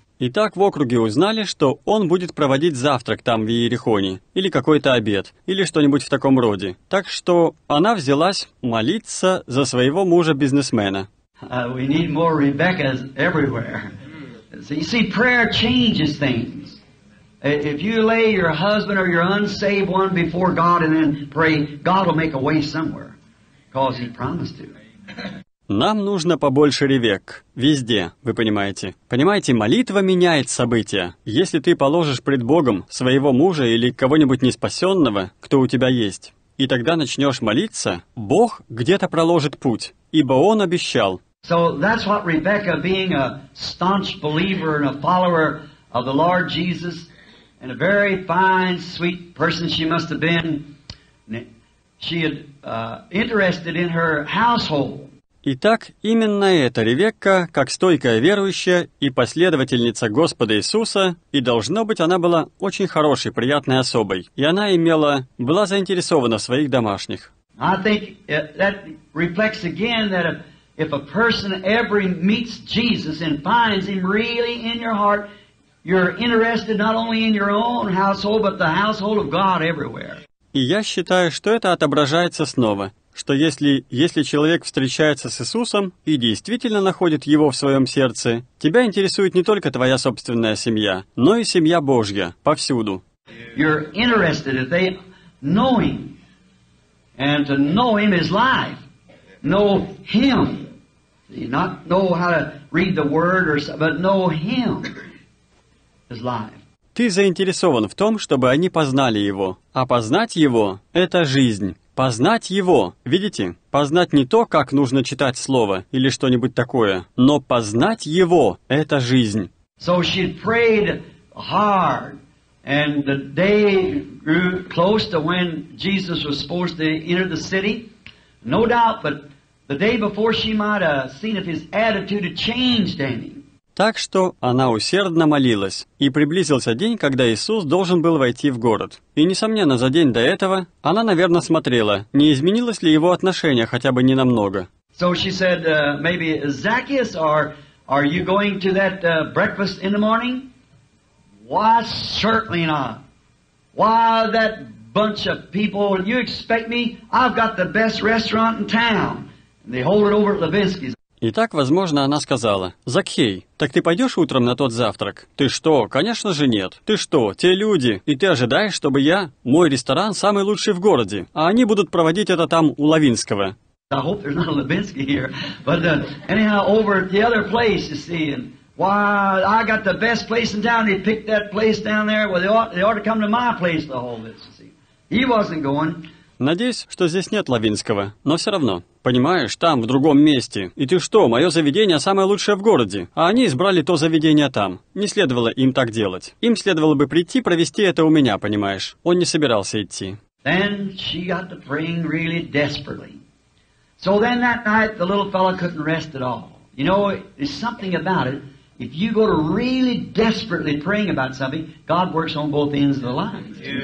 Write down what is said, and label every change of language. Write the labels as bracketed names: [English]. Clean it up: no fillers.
[Russian] Итак, в округе узнали, что он будет проводить завтрак там в Иерихоне, или какой-то обед, или что-нибудь в таком роде. Так что она взялась молиться за своего мужа-бизнесмена. [English] We need more Rebeccas everywhere. So you see, prayer changes things. If you lay your husband or your unsaved one before God and then pray, God will make a way somewhere, because he promised to. [Russian] Нам нужно побольше Ревек. Везде, вы понимаете. Понимаете, молитва меняет события. Если ты положишь пред Богом своего мужа или кого-нибудь неспасенного, кто у тебя есть, и тогда начнешь молиться, Бог где-то проложит путь, ибо Он обещал. [English] So that's what Rebecca, being a staunch believer and a follower of the Lord Jesus, and a very fine, sweet person she must have been, she had interested in her household. [Russian] Итак, именно эта Ревекка, как стойкая верующая и последовательница Господа Иисуса, и должно быть, она была очень хорошей, приятной особой, и она была заинтересована в своих домашних. [English] I think that reflects again that if a person ever meets Jesus and finds him really in your heart, you're interested not only in your own household, but the household of God everywhere. [Russian] И я считаю, что это отображается снова. Что если человек встречается с Иисусом и действительно находит Его в своем сердце, тебя интересует не только твоя собственная семья, но и семья Божья, повсюду. [English] You're interested if they know Him, and to know Him is life. Know Him. Not know how to read the Word, but know Him is life. [Russian] Ты заинтересован в том, чтобы они познали Его, а познать Его — это жизнь. Познать Его, видите? Познать не то, как нужно читать Слово или что-нибудь такое, но познать Его — это жизнь. [English] So she prayed hard, and the day grew close to when Jesus was supposed to enter the city. No doubt, but The day before she might have seen if his attitude had changed any. [Russian] Так что она усердно молилась, и приблизился день, когда Иисус должен был войти в город. И, несомненно, за день до этого она, наверное, смотрела, не изменилось ли его отношение хотя бы ненамного. [English] So she said, maybe Zacchaeus, are you going to that breakfast in the morning? Why, certainly not. Why, that bunch of people, you expect me? I've got the best restaurant in town. And they hold it over at Levinsky's. [Russian] Итак, возможно, она сказала, «Закхей, так ты пойдешь утром на тот завтрак?» «Ты что? Конечно же нет. Ты что? Те люди. И ты ожидаешь, чтобы я? Мой ресторан самый лучший в городе, а они будут проводить это там у Лавинского». [English] I hope there's not a Levinsky here, but anyhow, over at the other place, you see, and wow, I got the best place in town. They picked that place down there. Well, they ought to come to my place to hold this, you see. He wasn't going. [Russian] Надеюсь, что здесь нет Лавинского, но все равно. Понимаешь, там, в другом месте. И ты что, мое заведение самое лучшее в городе. А они избрали то заведение там. Не следовало им так делать. Им следовало бы прийти провести это у меня, понимаешь. Он не собирался идти. [English] Then she got to praying really desperately. So then that night the little fellow couldn't rest at all. You know, there's something about it. If you go to really desperately praying about something, God works on both ends of the line.